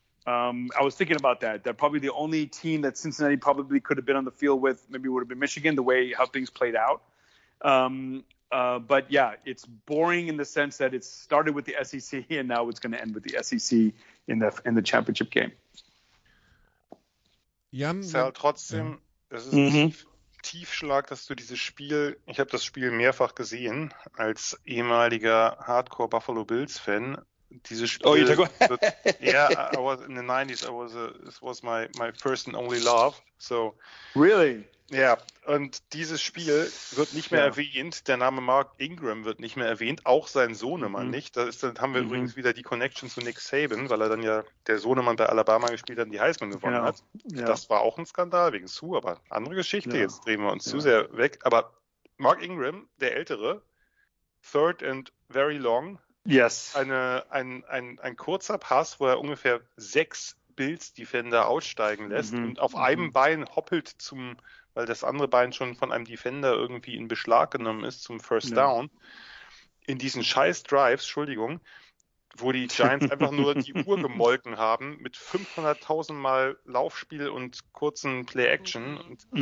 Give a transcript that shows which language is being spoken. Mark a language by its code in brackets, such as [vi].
[en] I was thinking about that. They're probably the only team that Cincinnati probably could have been on the field with. Maybe it would have been Michigan, the way how things played out. But yeah, it's boring in the sense that it started with the SEC and now it's going to end with the SEC in the championship game. Jan, [de] trotzdem, es ist ein Tiefschlag, dass du dieses Spiel, ich habe das Spiel mehrfach gesehen, als ehemaliger Hardcore Buffalo Bills Fan. Dieses Spiel, [en] I was in the 90s. This was my first and only love. So really, yeah. [de] Und dieses Spiel wird nicht mehr erwähnt. Der Name Mark Ingram wird nicht mehr erwähnt. Auch sein Sohnemann nicht. Dann haben wir übrigens wieder die Connection zu Nick Saban, weil er dann ja der Sohnemann bei Alabama gespielt hat und die Heisman gewonnen hat. Ja. Das war auch ein Skandal wegen Sue, aber andere Geschichte. Ja. Jetzt drehen wir uns zu sehr weg. Aber Mark Ingram, der Ältere, [en] third and very long. Yes. [de] Ein kurzer Pass, wo er ungefähr 6 Bills-Defender aussteigen lässt und auf einem Bein hoppelt zum, weil das andere Bein schon von einem Defender irgendwie in Beschlag genommen ist, zum First Down. In diesen scheiß Drives, Entschuldigung, wo die Giants einfach nur die Uhr gemolken haben mit 500.000 Mal Laufspiel und kurzen Play-Action.